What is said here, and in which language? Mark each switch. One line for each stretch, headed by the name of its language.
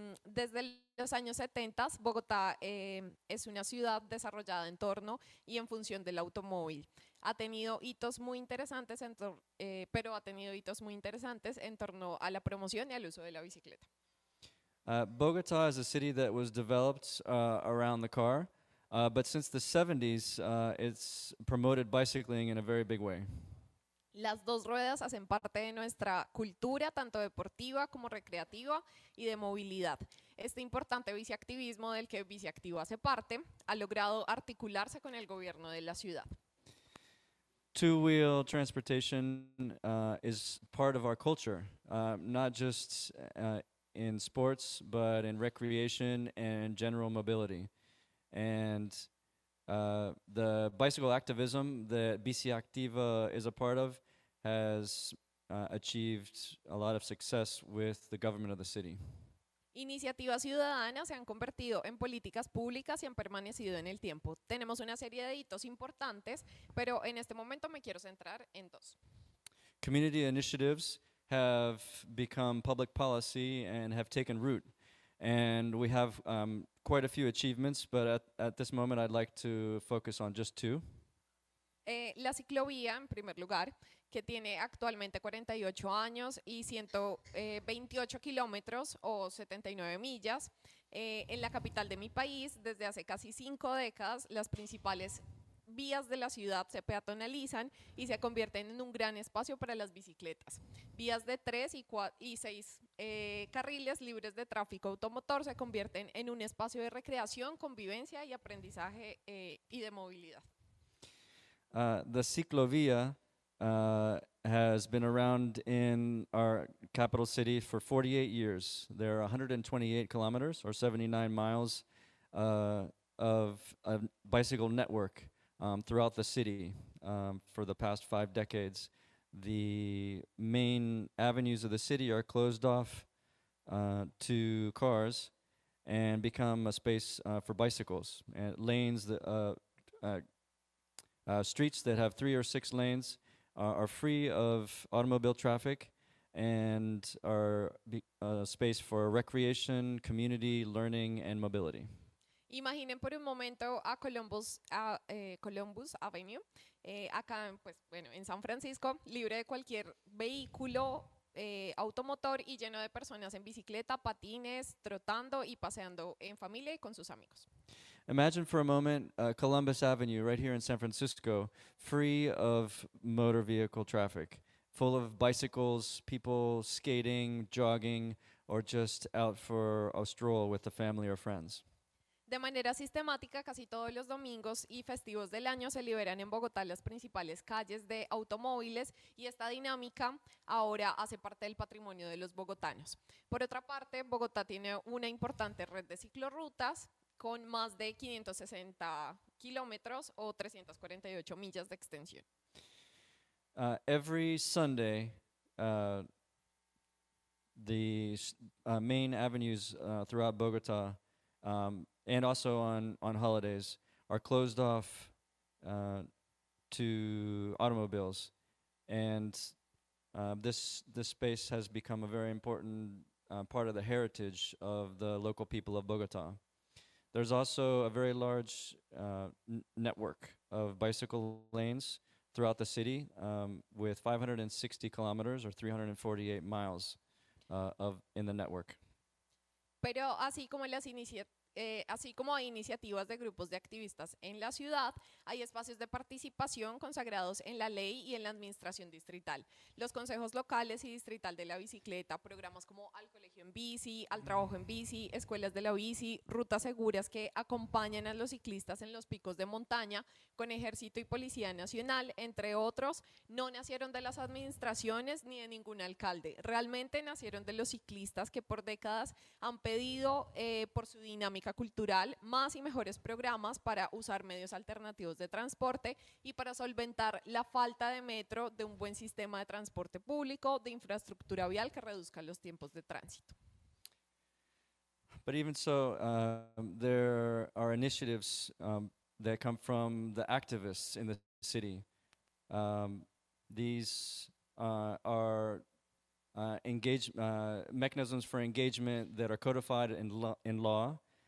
Spanish: Desde los años 70, Bogotá es una ciudad desarrollada en torno y en función del automóvil. Ha tenido hitos muy interesantes en torno a la promoción y al uso de la bicicleta.
English: Bogota is a city that was developed around the car, but since the 70s, it's promoted bicycling in a very big way.
Spanish: Las dos ruedas hacen parte de nuestra cultura, tanto deportiva como recreativa y de movilidad. Este importante biciactivismo del que Biciactivo hace parte ha logrado articularse con el gobierno de la ciudad.
English: Two-wheel transportation is part of our culture, not just in sports, but in recreation and general mobility. And the bicycle activism that Biciactiva is a part of has achieved a lot of success with the government of the city.
Spanish: Iniciativas ciudadanas se han convertido en políticas públicas y han permanecido en el tiempo. Tenemos una serie de hitos importantes, pero en este momento me quiero centrar en dos.
English: community initiatives have become public policy and have taken root. And we have quite a few achievements, but at this moment I'd like to focus on just two.
Spanish: La ciclovía, en primer lugar, que tiene actualmente 48 años y 128 kilómetros o 79 millas. En la capital de mi país, desde hace casi 5 décadas, las principales vías de la ciudad se peatonalizan y se convierten en un gran espacio para las bicicletas. Vías de 3 y 6 carriles libres de tráfico automotor se convierten en un espacio de recreación, convivencia y aprendizaje y de movilidad.
English: The Ciclovia has been around in our capital city for 48 years. There are 128 kilometers or 79 miles of a bicycle network throughout the city for the past 5 decades. The main avenues of the city are closed off to cars and become a space for bicycles. And lanes, streets that have 3 or 6 lanes are free of automobile traffic and are a space for recreation, community, learning, and mobility.
Spanish: Imaginen por un momento a Columbus Avenue, acá pues, bueno, en San Francisco, libre de cualquier vehículo automotor y lleno de personas en bicicleta, patines, trotando y paseando en familia y con sus amigos.
English: Imagine for a moment Columbus Avenue right here in San Francisco, free of motor vehicle traffic, full of bicycles, people skating, jogging, or just out for a stroll with the family or friends.
Spanish: De manera sistemática, casi todos los domingos y festivos del año se liberan en Bogotá las principales calles de automóviles y esta dinámica ahora hace parte del patrimonio de los bogotanos. Por otra parte, Bogotá tiene una importante red de ciclorrutas con más de 560 kilómetros o 348 millas de extensión.
English: Every Sunday, the main avenues throughout Bogotá and also on holidays are closed off to automobiles, and this space has become a very important part of the heritage of the local people of Bogotá. There's also a very large network of bicycle lanes throughout the city with 560 kilometers or 348 miles in the network.
Spanish: Pero así como las iniciativas así como hay iniciativas de grupos de activistas en la ciudad, hay espacios de participación consagrados en la ley y en la administración distrital. Los consejos locales y distrital de la bicicleta, programas como al colegio en bici, al trabajo en bici, escuelas de la bici, rutas seguras que acompañan a los ciclistas en los picos de montaña con ejército y policía nacional, entre otros, no nacieron de las administraciones ni de ningún alcalde. Realmente nacieron de los ciclistas que por décadas han pedido por su dinámica cultural, más y mejores programas para usar medios alternativos de transporte y para solventar la falta de metro, de un buen sistema de transporte público, de infraestructura vial que reduzca los tiempos de tránsito.
English: But even so, there are initiatives that come from the activists in the city. These are mechanisms for engagement that are codified in law.